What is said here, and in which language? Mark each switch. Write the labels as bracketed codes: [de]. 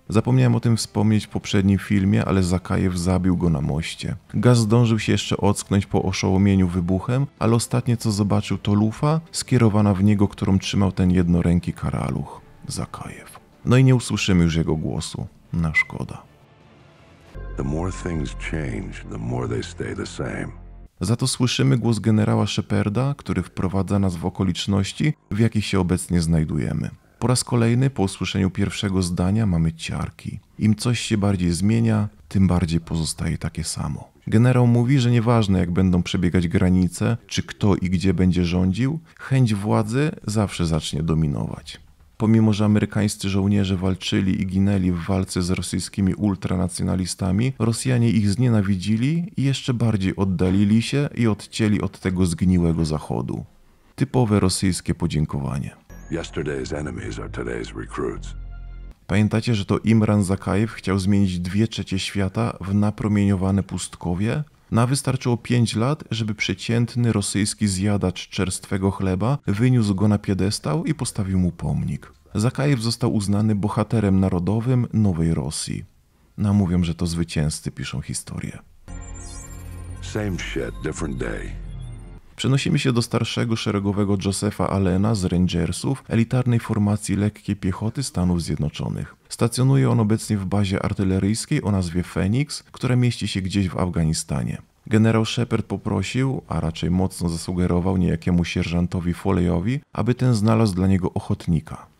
[pl] Zapomniałem o tym wspomnieć w poprzednim filmie, ale Zakajew zabił go na moście. Gaz zdążył się jeszcze ocknąć po oszołomieniu wybuchem, ale ostatnie co zobaczył to lufa skierowana w niego, którą trzymał ten jednoręki karaluch. Zakajew. No i nie usłyszymy już jego głosu. Na szkoda. [en] The more things change, the more they stay the same. [pl] Za to słyszymy głos generała Shepherda, który wprowadza nas w okoliczności, w jakich się obecnie znajdujemy. Po raz kolejny, po usłyszeniu pierwszego zdania, mamy ciarki. Im coś się bardziej zmienia, tym bardziej pozostaje takie samo. Generał mówi, że nieważne jak będą przebiegać granice, czy kto i gdzie będzie rządził, chęć władzy zawsze zacznie dominować. Pomimo, że amerykańscy żołnierze walczyli i ginęli w walce z rosyjskimi ultranacjonalistami, Rosjanie ich znienawidzili i jeszcze bardziej oddalili się i odcięli od tego zgniłego Zachodu. Typowe rosyjskie podziękowanie. [en] Yesterday's enemies are today's recruits. [pl] Pamiętacie, że to Imran Zakajew chciał zmienić 2/3 świata w napromieniowane pustkowie? No a wystarczyło 5 lat, żeby przeciętny rosyjski zjadacz czerstwego chleba wyniósł go na piedestał i postawił mu pomnik. Zakajew został uznany bohaterem narodowym Nowej Rosji. No a mówią, że to zwycięzcy piszą historię. [en] Same shit, different day. [pl] Przenosimy się do starszego szeregowego Josepha Allena z Rangersów, elitarnej formacji lekkiej piechoty Stanów Zjednoczonych. Stacjonuje on obecnie w bazie artyleryjskiej o nazwie Phoenix, która mieści się gdzieś w Afganistanie. Generał Shepherd poprosił, a raczej mocno zasugerował niejakiemu sierżantowi Foleyowi, aby ten znalazł dla niego ochotnika.